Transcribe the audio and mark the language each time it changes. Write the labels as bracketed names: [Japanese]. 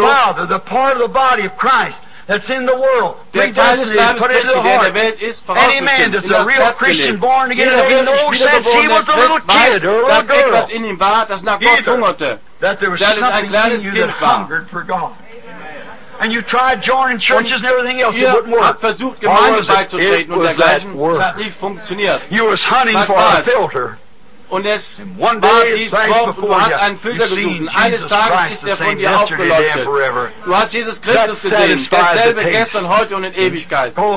[German] Der Teil des Leibes Christi, der in der Welt ist, vorausbestimmt, in das Herz gelebt. Jeder wirklich wiedergeborene Christ weiß, dass etwas in ihm war, das nach Gott hungerte, dass es ein kleines Kind war. [English] And you tried joining churches and everything else. [German] Ihr [English] it wouldn't work. [German] Habt versucht, Gemeinde beizutreten und dergleichen. Es hat nicht funktioniert. [English] You was hunting for a filter. [German] Und es war dies Wort, du hast einen Filter gesucht. Eines Tages ist er von dir aufgeleuchtet. Du hast Jesus Christus gesehen, dasselbe gestern, heute und in Ewigkeit.